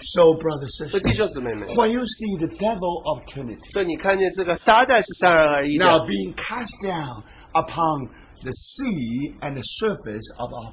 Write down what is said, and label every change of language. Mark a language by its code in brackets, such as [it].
[en] so, brothers and sisters, when you see the devil of Trinity, [zh] 所以你看见这个撒旦是三而一的, [en] now being cast down upon the sea and the surface of our